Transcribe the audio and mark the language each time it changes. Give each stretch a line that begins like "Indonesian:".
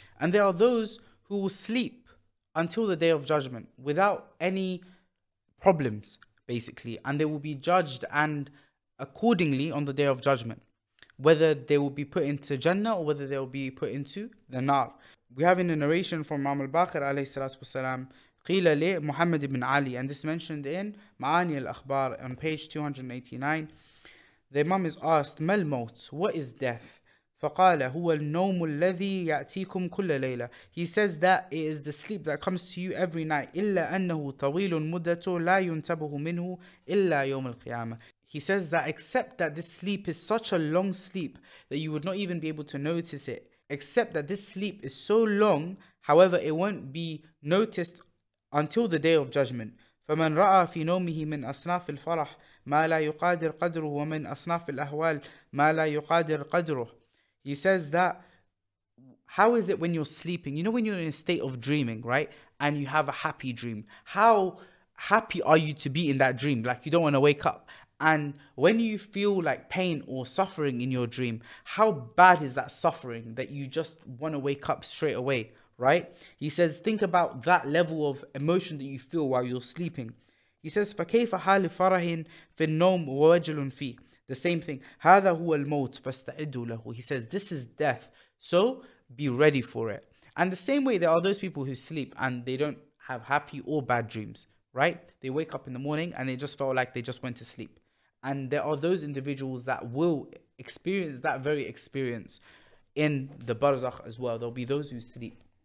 English: And there are those who will sleep until the day of judgment without any problems, basically, and they will be judged and accordingly on the day of judgment, whether they will be put into Jannah or whether they will be put into the Nar. We have in a narration from Imam al-Baqir alayhi salatu wasalam,
Arabic: قيل لي محمد بن علي,
English: and this mentioned in Ma'ani al-Akhbar on page 289. The Imam is asked,
Arabic: ما الموت?
English: What is death?
Arabic: فقال هو النوم الذي يأتيكم كل ليلة.
English: He says that it is the sleep that comes to you every night,
Arabic: إلا أنه طويل مدة لا ينتبه منه إلا يوم القيامة.
English: He says that except that this sleep is such a long sleep that you would not even be able to notice it. Except that this sleep is so long, however, it won't be noticed until the day of judgment.
Arabic: فمن رأى في نومه من أصناف الفرح ما لا يقادر قدره ومن أصناف الأهوال ما لا يقادر قدره.
English: He says that, how is it when you're sleeping? You know, when you're in a state of dreaming, right? And you have a happy dream. How happy are you to be in that dream? Like, you don't want to wake up. And when you feel like pain or suffering in your dream, how bad is that suffering that you just want to wake up straight away, right? He says, think about that level of emotion that you feel while you're sleeping. He says,
Arabic: فَكَيْفَ حَالِ فَرَحٍ فِي النَّوْمِ وَوَجِلٌ فِي.
English: The same thing.
Arabic: هَذَا هُوَ الْمَوْتِ فَاسْتَعِدُوا لَهُ.
English: He says, this is death, so be ready for it. And the same way, there are those people who sleep and they don't have happy or bad dreams, right? They wake up in the morning and they just felt like they just went to sleep. And there are those individuals that will experience that very experience in the Barzakh as well. There'll be those who sleep.